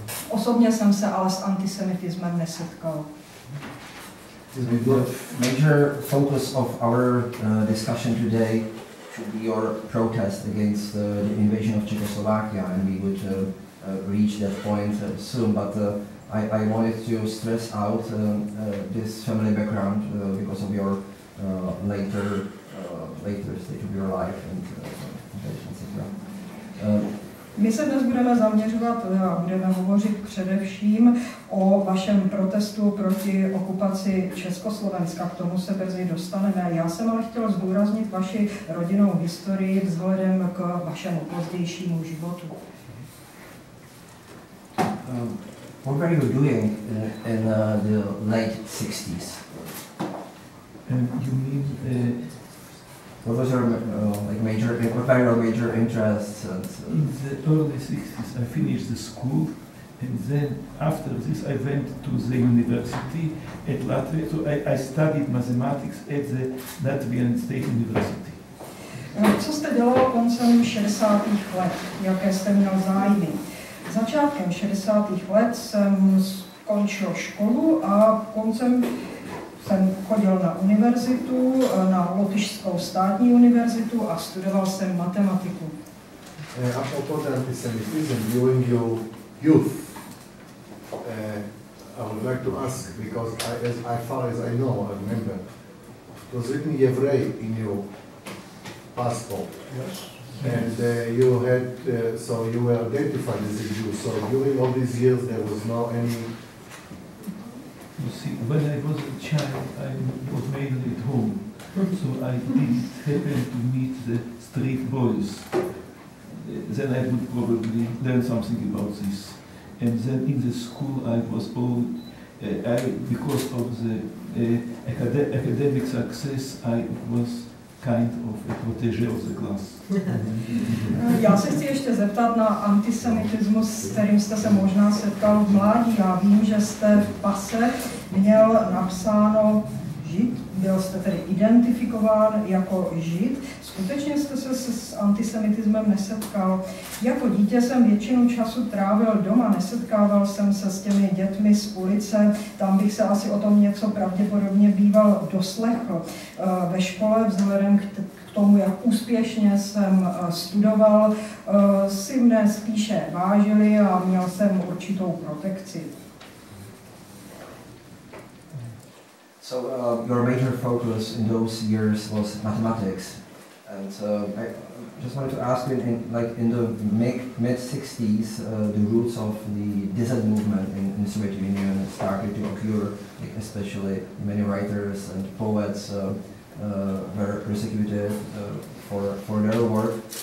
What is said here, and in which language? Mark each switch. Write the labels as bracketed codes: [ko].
[cs] Osobně jsem se ale s antisemitismem nesetkal. [en] The major focus of our discussion today should be your protest against the invasion of Czechoslovakia, and we would reach that point soon. But I wanted to stress out this family background because of your later stage of your life and etc. [cs] My se dnes budeme zaměřovat a budeme hovořit především o vašem protestu proti okupaci Československa. K tomu se brzy dostaneme. Já jsem ale chtěl zdůraznit vaši rodinnou historii vzhledem k vašemu pozdějšímu životu. [en] What were you doing in the late 60s? You mean what was your major interests? In the early 60s, I finished the school, and then after this, I went to the university at Latvia. So I studied mathematics at the Latvian State University. [cs] Co jste dělal koncem 60. let? Jaké jste měl zájmy? Začátkem 60. let jsem skončil školu a koncem jsem chodil na univerzitu, na Lotyšskou státní univerzitu a studoval jsem matematiku. [fr] A propos de [en] antisemitism during your youth, I would like to ask, because I remember, was written Jevrej in your passport? Yes. And so you were identified as a Jew, so during all these years there was no any... You see, when I was a child, I was mainly at home, so I didn't happen to meet the street boys. Then I would probably learn something about this. And then in the school I was old, because of the academic success, I was kind of a protégé of the class. [cs] Já se chci ještě zeptat na antisemitismus, s kterým jste se možná setkal v mládí. Já vím, že jste v pase měl napsáno Žid, byl jste tedy identifikován jako Žid. Skutečně jste se s antisemitismem nesetkal. Jako dítě jsem většinu času trávil doma, nesetkával jsem se s těmi dětmi z ulice, tam bych se asi o tom něco pravděpodobně býval doslechl. Ve škole vzhledem k tomu, jak úspěšně jsem studoval, si mne spíše vážili a měl jsem určitou protekci. [en] So your major focus in those years was mathematics, and I just wanted to ask you, in the mid-60s, the roots of the dissent movement in the Soviet Union started to occur, like, especially many writers and poets were persecuted for their work.